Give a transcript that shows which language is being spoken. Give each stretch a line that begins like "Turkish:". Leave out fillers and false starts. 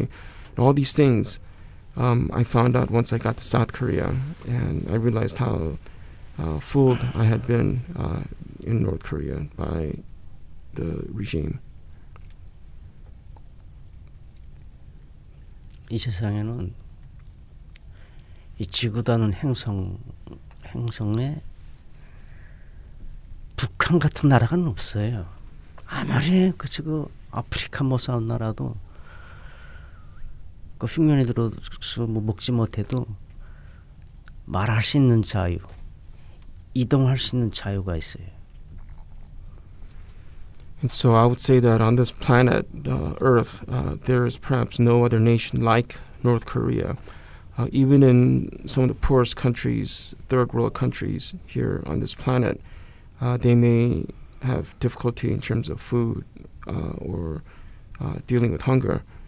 English: And all these things I found out once I got to South Korea, and I realized how fooled I had been in North Korea by the regime.
Korean: 이 세상에는 이 지구라는 행성에 북한 같은 나라가 없어요. 아무리 그 지금 아프리카 뭐 사는 나라도 그 흉년이 들어서 뭐 먹지 못해도 말할 수 있는 자유. 이동할 수 있는 자유가 있어요.
English: And so I would say that on this planet, Earth, there is perhaps no other nation like North Korea. Even in some of the poorest countries, third world countries here on this planet, they may have difficulty in terms of food or dealing with hunger.